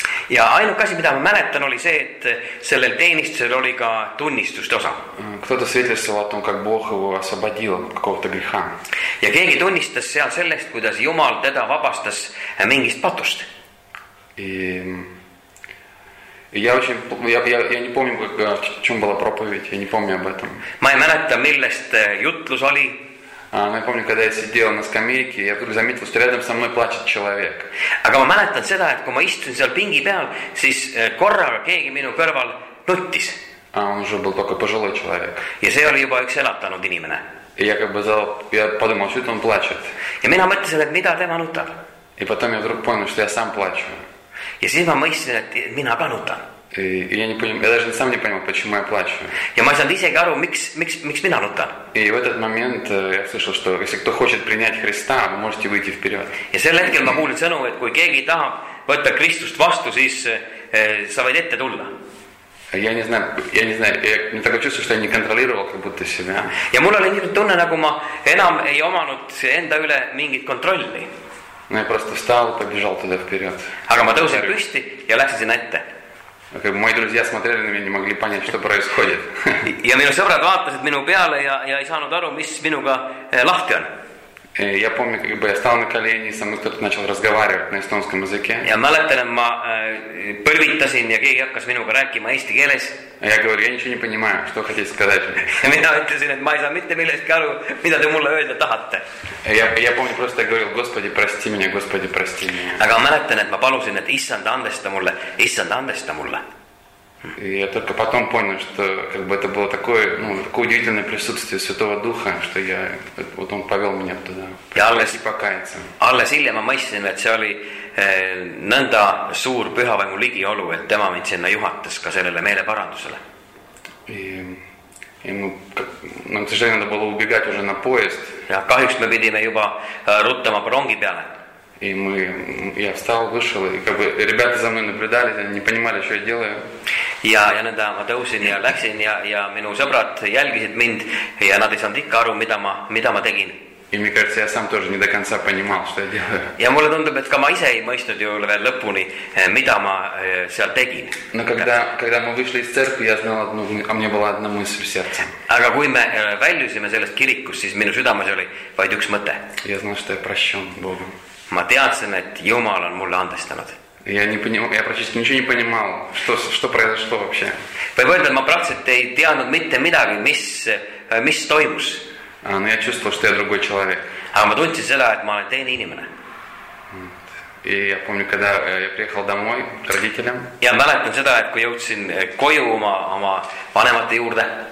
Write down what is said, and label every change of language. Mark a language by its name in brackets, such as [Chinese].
[Estonian] Ja ainuke asi, mida ma mäletan, oli see, et sellel teenistusel oli ka tunnistust osa. [Russian] Кто-то свидетельствовал о том, как Бог его освободил от какого-то греха. [Estonian] Ja keegi tunnistas seal sellest, kuidas Jumal teda vabastas mingist patust. [Russian] Я не помню, как чем была проповедь, я не помню об этом. [Estonian] Ma ei mäleta, millest jutlus oli. Ma ei [Russian] помню, когда я сидел на скамейке, я вдруг заметил, что рядом со мной плачет человек. [Estonian] Aga ma mäletan seda, et kui ma istun seal pingi peal, siis korraga keegi minu kõrval nuttis. [Russian] Он уже был только пожилой человек. [Estonian] Ja see oli juba üks elatanud inimene. [Russian] Я подумал, что он плачет. [Estonian] Ja mina mõtlesin, et mida tema nutab. [Russian] И потом я вдруг понял, что я сам плачу. [Estonian] Ja siis ma mõtlesin, et mina ka nutan. [Russian] И я не понимаю, я даже сам не понимаю, почему я плачу. [Estonian] Ja ma ei saanud isegi aru, miks mina nutan. [Russian] И в этот момент я слышал, что если кто хочет принять Христа, вы можете выйти вперед. [Estonian] Ja sel hetkel ma kuulin sõnu, et kui keegi tahab võtta Kristust vastu, siis sa võid ette tulla. [Russian] Я не знаю, я такое чувство, что я не контролировал как будто себя. [Estonian] Ja mul oli nii tunne, nagu ma enam ei omanud enda üle mingit kontrolli. [Russian] Ну я просто встал, побежал туда вперед. [Estonian] Aga ma tõusin püsti ja läksin sinna ette. [Russian] Okay, мои друзья смотрели на меня, не могли понять, что происходит. [Estonian] Ja minu sõbrad vaatasid minu peale ja ei saanud aru, mis minuga lahti on. [Russian] Я помню, как бы я стал на колени, со мной кто-то начал разговаривать на эстонском языке. [Estonian] Ja mäletan, et ma põlvitasin ja keegi hakkas minuga rääkima eesti keeles. [Russian] Я говорю, я ничего не понимаю, что хотите сказать. [Estonian] Ja mina ütlesin, et ma ei saa mitte millestki aru, mida te mulle öelda tahate. [Russian] Я помню, просто я говорил, Господи, прости меня. [Estonian] Aga mäletan, et ma palusin, et Issand, andesta mulle. [Russian] Я только потом понял, что как бы это было такое, ну, такое удивительное присутствие Святого Духа, что я вот он повел меня туда. [Estonian] Ja alles [Russian] покаяться. [Estonian] Alles hiljem ma mõtlesin, et see oli nõnda suur pühavaimu ligiolu, et tema mind sinna juhatas ka sellele meeleparandusele. Ja see oli, et oli ubegati [Russian] уже на поезд. [Estonian] Ja kahjuks me pidime juba ruttama rongi peale. [Russian] И мы, я встал, вышел, и как бы ребята за мной наблюдали, они не понимали, что я делаю. [Estonian] Ja nõnda ma tõusin ja läksin ja minu sõbrad jälgisid mind ja nad ei saanud ikka aru, mida ma tegin. [Russian] И мне кажется, я сам тоже не до конца понимал, что я делаю. [Estonian] Ja mulle tundub, et ka ma ise ei mõistnud juhul veel lõpuni, mida ma seal tegin. [Russian] No когда мы вышли из церкви, я знал одну, а мне была одна мысль в сердце. [Estonian] Aga kui me väljusime sellest kirikust, siis minu südames oli vaid üks mõte. [Russian] Я знал, что я прощен Богу. [Estonian] Ma teadsin, et Jumal on mulle andestanud. [Russian] Я практически ничего не понимал, что произошло вообще. [Estonian] Võib öelda, et ma praktiselt ei teadnud mitte midagi, mis toimus. [Russian] Но я чувствовал, что я другой человек. [Estonian] Aga ma tundsin seda, et ma olen teine inimene. [Russian] И я помню, когда я приехал домой к родителям. [Estonian] Ja mäletan seda, et kui jõudsin koju oma vanemate juurde.